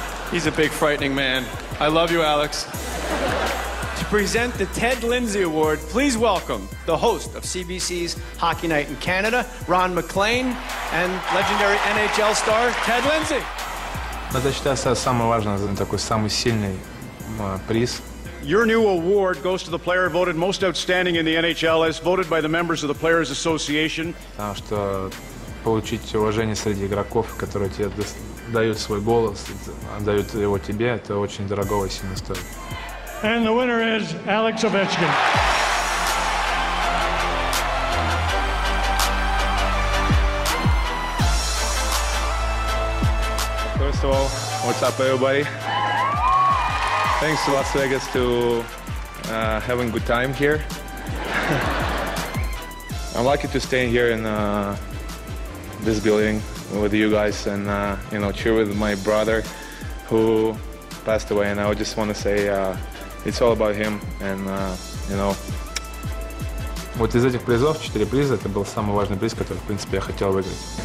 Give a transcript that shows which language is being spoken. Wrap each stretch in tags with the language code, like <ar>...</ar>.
<en>He's a big, frightening man. I love you, Alex. To present the Ted Lindsay Award, please welcome the host of CBC's Hockey Night in Canada, Ron McLean, and legendary NHL star Ted Lindsay.</en> <ru>Я считаю, что самый важный, такой самый сильный приз.</ru> <en>Your new award goes to the player voted most outstanding in the NHL, as voted by the members of the Players Association.</en> <ru>Потому что получить уважение среди игроков, которые тебе дают свой голос, отдают его тебе, это очень дорого и сильно стоит.</ru> <en>And the winner is Alex Ovechkin. first of all. What's up, everybody? Thanks to Las Vegas to having a good time here. I'm lucky to stay here in this building with you guys and, you know, cheer with my brother who passed away. And I just want to say it's all about him and, you know.</en> <ru>Вот из этих призов, 4 приза, это был самый важный приз, который, в принципе, я хотел выиграть.</ru>